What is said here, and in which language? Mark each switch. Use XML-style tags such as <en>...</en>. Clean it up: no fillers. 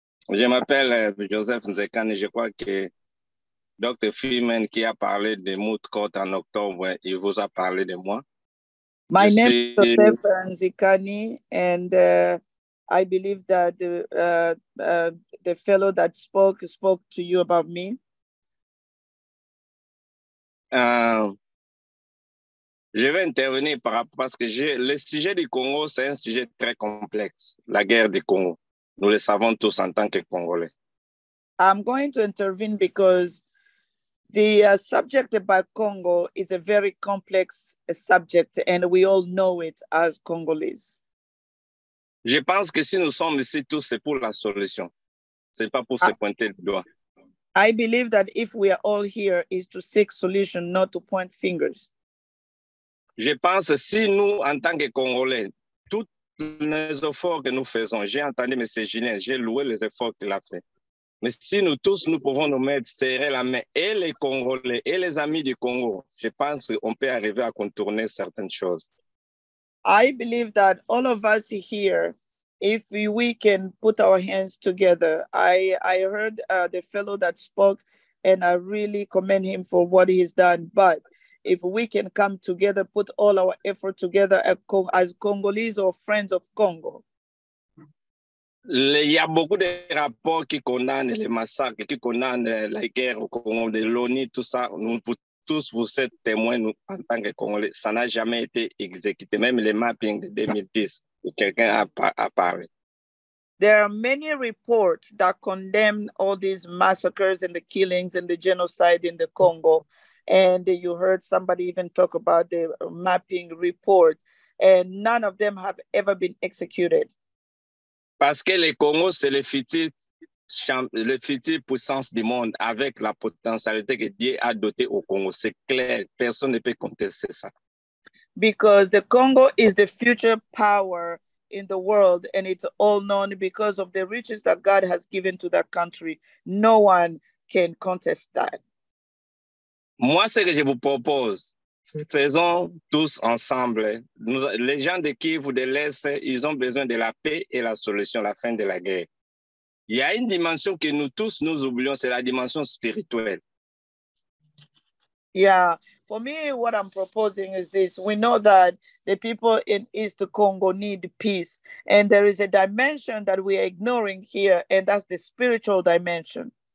<fr>Je m'appelle Joseph Nzekan et je crois que Dr. Freeman, qui a parlé de Moot Court en octobre, il vous a parlé de moi.</fr> <en>My je name is Joseph Nzikani, and I believe that the fellow that spoke to you about me.</en> <fr>Je vais intervenir parce que le sujet du Congo, c'est un sujet très complexe, la guerre du Congo. Nous le savons tous en tant que Congolais.</fr> <en>I'm going to intervene because the subject about Congo is a very complex subject, and we all know it as Congolese.</en> <fr>Je pense que si nous sommes ici tous, c'est pour la solution. C'est pas pour se pointer le doigt.</fr> <en>I believe that if we are all here, is to seek solution, not to point fingers.</en> <fr>Je pense si nous, en tant que Congolais, tous les efforts que nous faisons, j'ai entendu M. Julien, j'ai loué les efforts qu'il a fait. Mais si nous tous, nous pouvons nous mettre serrer la main, et les Congolais, et les amis du Congo, je pense qu'on peut arriver à contourner certaines choses.</fr> <en>I believe that all of us here, if we can put our hands together, I heard the fellow that spoke, and I really commend him for what he's done. But if we can come together, put all our effort together as Congolese or friends of Congo,</en> <fr>il y a beaucoup de rapports qui condamnent les massacres, qui condamnent la guerre au Congo, de l'ONU, tout ça. Vous tous êtes témoins, nous, en tant que Congolais. Ça n'a jamais été exécuté, même les mappings de 2010, où quelqu'un a parlé.</fr> <en>There are many reports that condemn all these massacres and the killings and the genocide in the Congo. And you heard somebody even talk about the mapping report. And none of them have ever been executed.</en> <fr>Parce que le Congo, c'est le futur puissance du monde avec la potentialité que Dieu a dotée au Congo. C'est clair, personne ne peut contester ça.</fr> <en>Because the Congo is the future power in the world, and it's all known because of the riches that God has given to that country. No one can contest that.</en> <fr>Moi, ce que je vous propose, faisons tous ensemble. Les gens de Kiev ou de l'Est, ils ont besoin de la paix et la solution, la fin de la guerre. Il y a une dimension que nous tous nous oublions, c'est la dimension spirituelle.</fr> <en>Yeah, for me, what I'm proposing is this. We know that the people in East Congo need peace, and there is a dimension that we are ignoring here, and that's the spiritual dimension.</en>